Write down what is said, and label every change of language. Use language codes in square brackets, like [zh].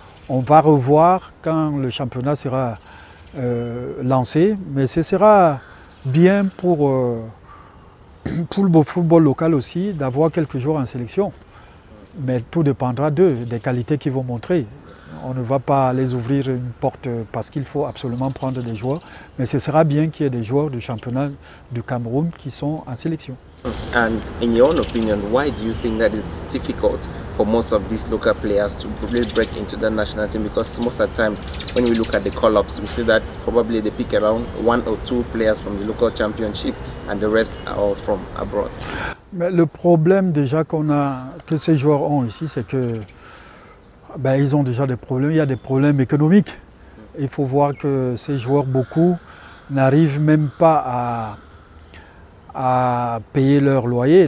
[fr] On va revoir quand le championnat sera lancé, mais ce sera bien pour le football local aussi, d'avoir quelques joueurs en sélection. Mais tout dépendra d'eux, des qualités qu'ils vont montrer. On ne va pas les ouvrir une porte parce qu'il faut absolument prendre des joueurs. Mais ce sera bien qu'il y ait des joueurs du championnat du Cameroun qui sont en sélection. [en] And in your own opinion, why do you think that it's difficult for most of these local players to really break into the national team? Because most of the times, when we look at the call-ups, we see that probably they pick around one or two players from the local championship and the rest are all from abroad. [fr] Mais le problème déjà qu'on a, que ces joueurs ont ici, c'est que ben, ils ont déjà des problèmes. Il y a des problèmes économiques. Il faut voir que ces joueurs, beaucoup, n'arrivent même pas à payer leur loyer.